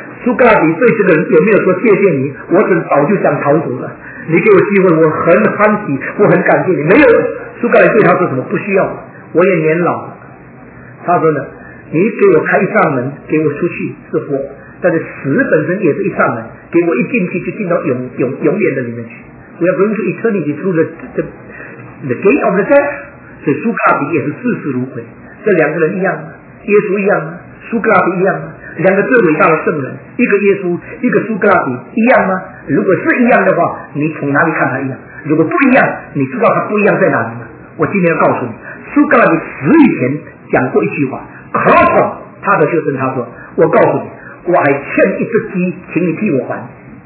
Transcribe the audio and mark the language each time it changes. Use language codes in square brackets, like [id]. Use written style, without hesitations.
[zh] 苏格拉底对这个人有没有说谢谢你，我很早就想逃走了，你给我机会我很欢喜，我很感谢你。没有，苏格拉底对他说什么，不需要，我也年老了。他说呢，你给我开一扇门给我出去是活，但是死本身也是一扇门，给我一进去就进到 永远的里面去。 [en] We are going to eternity through the gate of the death。 [zh] 所以苏格拉底也是视死如归，这两个人一样，耶稣一样，苏格拉底一样，两个最伟大的圣人，一个耶稣一个苏格拉底，一样吗？如果是一样的话，你从哪里看他一样？如果不一样，你知道他不一样在哪里吗？我今天要告诉你，苏格拉底死以前讲过一句话，他的学生他说，我告诉你，我还欠一只鸡，请你替我还。